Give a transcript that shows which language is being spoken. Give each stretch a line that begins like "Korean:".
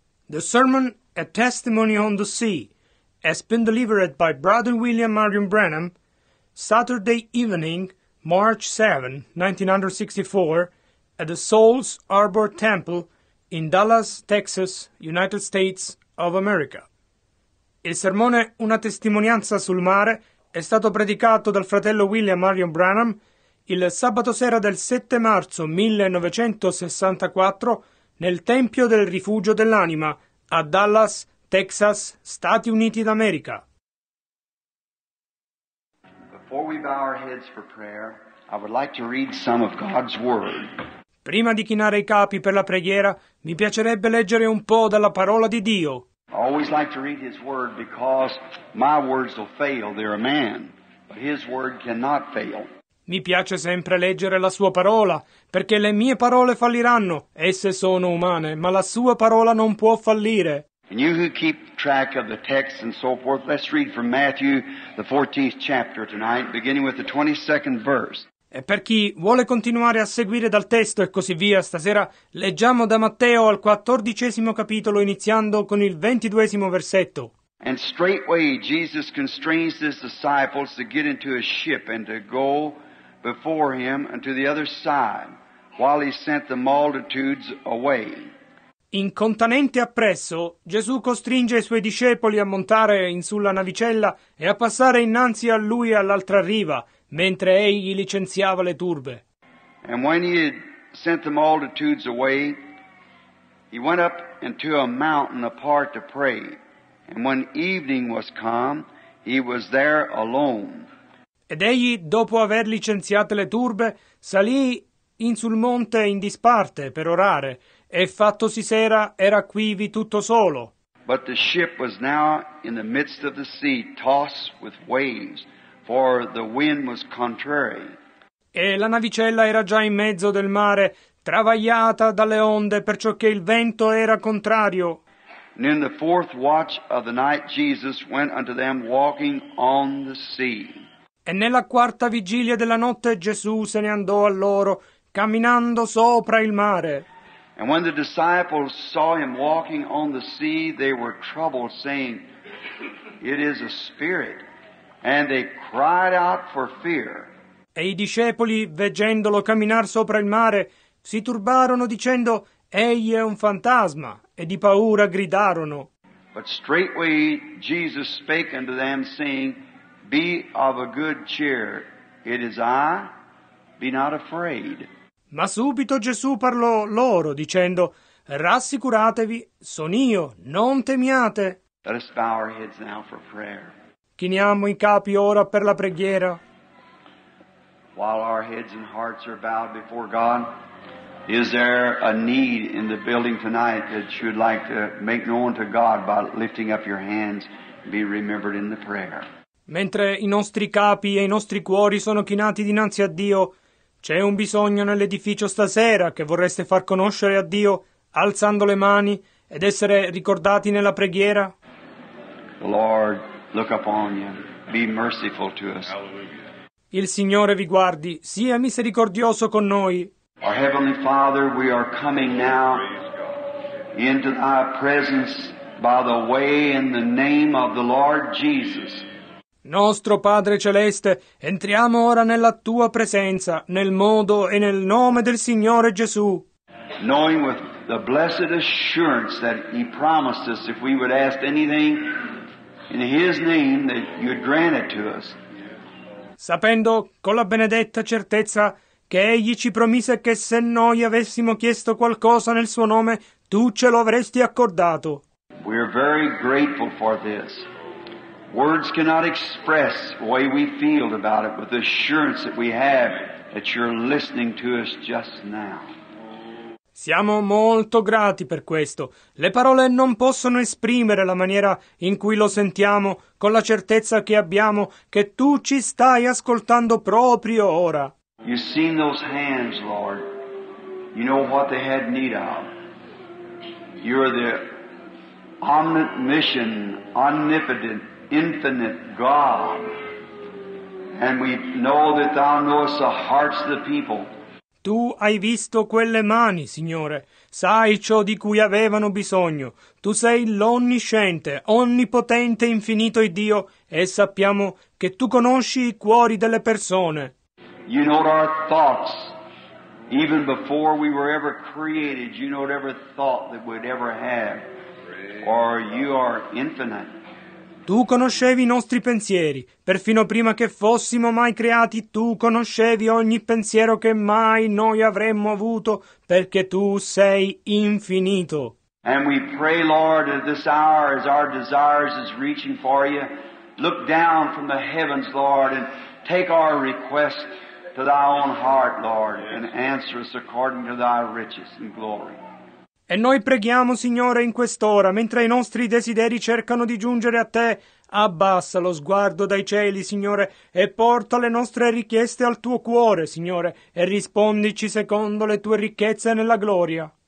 English: The sermon, A Testimony on the Sea, has been delivered by Brother William Marion Branham, Saturday evening, March 7, 1964, at the Souls Arbor Temple in Dallas, Texas, United States of America.
Italian: Il sermone Una testimonianza sul mare è stato predicato dal fratello William Marion Branham il sabato sera del 7 marzo 1964 nel Tempio del Rifugio dell'Anima, a Dallas, Texas, Stati Uniti d'America.
English: Before we bow our heads for prayer, I would like to read some of God's Word.
Italian: Prima di chinare i capi per la preghiera, mi piacerebbe leggere un po' dalla parola di Dio.
English: I always like to read His Word because my words will fail. They're a man, but His Word cannot fail.
Italian: Mi piace sempre leggere la sua parola, perché le mie parole falliranno, esse sono umane, ma la sua parola non può fallire.
English: And you who keep track of the text and so forth, let's read from Matthew, the 14th chapter tonight, beginning with the 22nd verse.
Italian: E per chi vuole continuare a seguire dal testo e così via, stasera leggiamo da Matteo al 14° capitolo, iniziando con il 22° versetto.
English: And straightway Jesus constrains his disciples to get into a ship and to go before him and to the other side, while he sent the multitudes away.
Italian: Incontanente appresso, Gesù costringe i suoi discepoli a montare in sulla navicella e a passare innanzi a lui all'altra riva, mentre egli licenziava le turbe.
English: And when he had sent the multitudes away, he went up into a mountain apart to pray. And when evening was come, he was there alone.
Italian: Ed egli, dopo aver licenziate le turbe, salì in sul monte in disparte per orare, e fattosi sera era quivi tutto solo.
English: But the ship was now in the midst of the sea, tossed with waves, for the wind was contrary.
Italian: E la navicella era già in mezzo del mare, travagliata dalle onde, perciò che il vento era contrario.
English: And in the fourth watch of the night, Jesus went unto them walking on the sea.
Italian: E nella quarta vigilia della notte Gesù se ne andò a loro, camminando sopra il mare.
English: And when the disciples saw him walking on the sea, they were troubled, saying, It is a spirit. And they cried out for fear.
Italian: E i discepoli, vedendolo camminare sopra il mare, si turbarono dicendo, Egli è un fantasma, e di paura gridarono.
English: But straightway Jesus spake unto them, saying, Be of a good cheer, it is I, be not afraid.
Italian: Ma subito Gesù parlò loro, dicendo, Rassicuratevi, son io, non temiate.
English: Let us bow our heads now for prayer.
Italian: Chiniamo i capi ora per la preghiera.
English: While our heads and hearts are bowed before God, is there a need in the building tonight that you'd like to make known to God by lifting up your hands and be remembered in the prayer?
Italian: Mentre i nostri capi e i nostri cuori sono chinati dinanzi a Dio, c'è un bisogno nell'edificio stasera che vorreste far conoscere a Dio alzando le mani ed essere ricordati nella preghiera?
English: Lord, look upon you. Be merciful to us.
Italian: Il Signore vi guardi, sia misericordioso con noi.
English: Our Heavenly Father, we are coming now into thy presence by the way in the name of the Lord Jesus.
Italian: Nostro Padre Celeste, entriamo ora nella Tua presenza, nel modo e nel nome del Signore Gesù.
English: Knowing with the blessed assurance that He promised us if we would ask anything in His name that You'd grant it to us.
Italian: Sapendo con la benedetta certezza che Egli ci promise che se noi avessimo chiesto qualcosa nel Suo nome, Tu ce lo avresti accordato.
English: We are very grateful for this. Words cannot express the way we feel about it with the assurance that we have that you're listening to us just now.
Italian: Siamo molto grati per questo. Le parole non possono esprimere la maniera in cui lo sentiamo con la certezza che abbiamo che tu ci stai ascoltando proprio ora.
English: You've seen those hands, Lord. You know what they had need of. You're the omniscient, omnipotent, infinite God, and we know that thou knowest the hearts of the people.
Italian: Tu hai visto quelle mani, Signore. Sai ciò di cui avevano bisogno. Tu sei l'onnisciente, onnipotente, infinito e Dio, e sappiamo che tu conosci i cuori delle persone.
English: You know our thoughts. Even before we were ever created, you know every thought that we'd ever have. For you are infinite.
Italian: Tu conoscevi i nostri pensieri, perfino prima che fossimo mai creati, tu conoscevi ogni pensiero che mai noi avremmo avuto, perché tu sei infinito.
English: And we pray, Lord, at this hour, as our desires is reaching for you, look down from the heavens, Lord, and take our request to thy own heart, Lord, and answer us according to thy riches and glory.
Italian: E noi preghiamo, Signore, in quest'ora, mentre i nostri desideri cercano di giungere a Te, abbassa lo sguardo dai cieli, Signore, e porta le nostre richieste al Tuo cuore, Signore, e rispondici secondo le Tue ricchezze nella gloria.